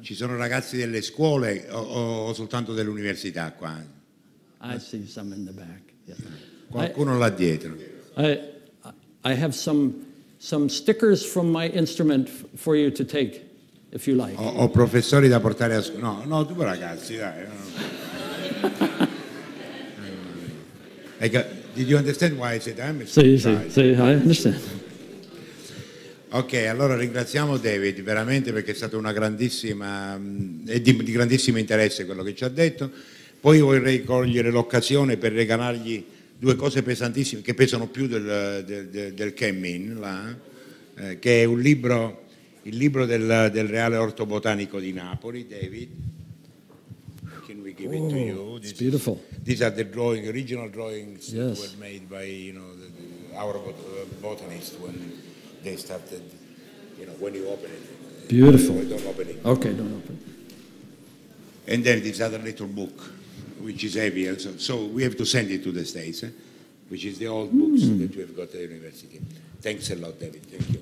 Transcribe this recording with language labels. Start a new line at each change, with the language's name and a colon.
Italian: Ci sono ragazzi delle scuole o soltanto dell'università qua?
English: I see some in the back. Yeah.
Italian: Qualcuno là dietro.
English: I have some stickers from my instrument for you to take, if you like.
Italian: Ho professori da portare a scuola. No, due ragazzi, dai.
English: Did you understand why I said I'm a sì, sì, sì, I understand.
Italian: Ok, allora ringraziamo David veramente perché è stata una grandissima e di grandissimo interesse quello che ci ha detto. Poi vorrei cogliere l'occasione per regalargli due cose pesantissime che pesano più del Kemin, che è il libro del Reale Orto Botanico di Napoli, David.
English: Can we give it to you? It's beautiful. These are the drawing, original drawings, yes, that were made by, you know, our botanist when they started, you know, when you open it. Beautiful. Don't open it. Okay, don't open. And then this other little book, which is heavy, also. So we have to send it to the States, which is the old books that we have got at the university. Thanks a lot, David. Thank you.